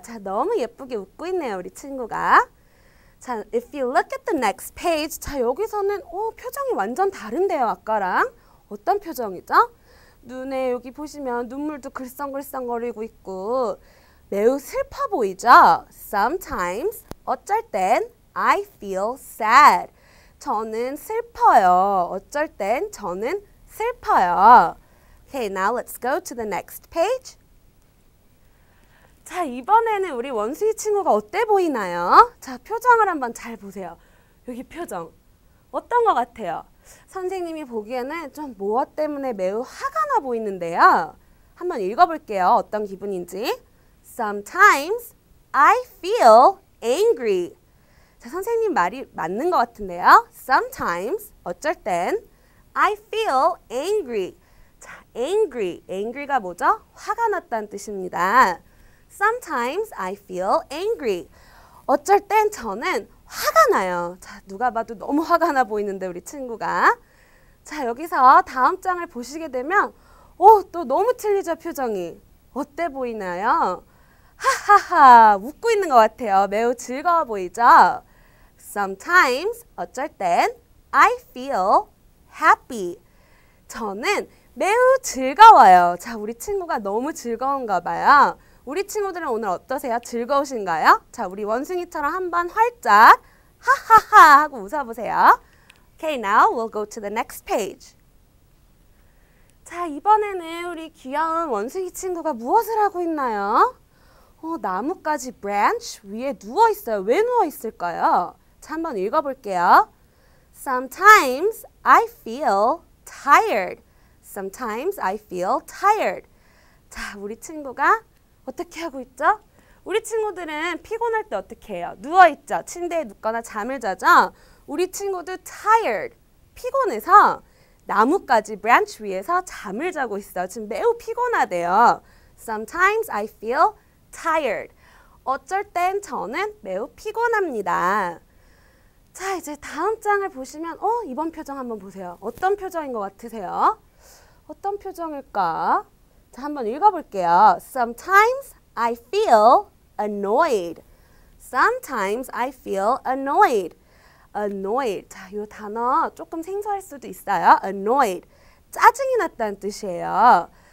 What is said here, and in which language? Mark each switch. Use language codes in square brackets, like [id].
[ko] 자, 너무 예쁘게 웃고 있네요, 우리 친구가. 자, [en] if you look at the next page, [ko] 자, 여기서는 표정이 완전 다른데요, 아까랑. 어떤 표정이죠? 눈에 여기 보시면 눈물도 글썽글썽거리고 있고 매우 슬퍼 보이죠? [en] Sometimes, [ko] 어쩔 땐 [en] I feel sad. [ko] 저는 슬퍼요. 어쩔 땐 저는 슬퍼요. [en] Okay, now let's go to the next page. [ko] 자, 이번에는 우리 원숭이 친구가 어때 보이나요? 자, 표정을 한번 잘 보세요. 여기 표정. 어떤 것 같아요? 선생님이 보기에는 좀 무엇 때문에 매우 화가 나 보이는데요. 한번 읽어볼게요. 어떤 기분인지. [en] Sometimes I feel angry. [ko] 자, 선생님 말이 맞는 것 같은데요. [en] Sometimes, [ko] 어쩔 땐, [en] I feel angry. [ko] 자, angry. Angry가 뭐죠? 화가 났다는 뜻입니다. [en] Sometimes I feel angry. [ko] 어쩔 땐 저는 화가 나요. 자, 누가 봐도 너무 화가 나 보이는데, 우리 친구가. 자, 여기서 다음 장을 보시게 되면, 또 너무 틀리죠, 표정이. 어때 보이나요? 하하하, 웃고 있는 것 같아요. 매우 즐거워 보이죠? [en] Sometimes, [ko] 어쩔 땐, [en] I feel happy. [ko] 저는 매우 즐거워요. 자, 우리 친구가 너무 즐거운가 봐요. 우리 친구들은 오늘 어떠세요? 즐거우신가요? 자, 우리 원숭이처럼 한번 활짝 하하하 하고 웃어보세요. [en] Okay, now we'll go to the next page. [ko] 자, 이번에는 우리 귀여운 원숭이 친구가 무엇을 하고 있나요? 나뭇가지 branch 위에 누워있어요. 왜 누워있을까요? 자, 한번 읽어볼게요. [en] Sometimes I feel tired. Sometimes I feel tired. [ko] 자, 우리 친구가 어떻게 하고 있죠? 우리 친구들은 피곤할 때 어떻게 해요? 누워있죠? 침대에 눕거나 잠을 자죠? 우리 친구도 tired, 피곤해서 나뭇가지 branch 위에서 잠을 자고 있어요. 지금 매우 피곤하대요. [en] Sometimes I feel tired. [ko] 어쩔 땐 저는 매우 피곤합니다. 자, 이제 다음 장을 보시면 이번 표정 한번 보세요. 어떤 표정인 것 같으세요? 어떤 표정일까? 자, 한번 읽어볼게요. [en] Sometimes I feel annoyed. Sometimes I feel annoyed. Annoyed. [ko] 자, 이 단어 조금 생소할 수도 있어요. [en] Annoyed. [ko] 짜증이 났다는 뜻이에요.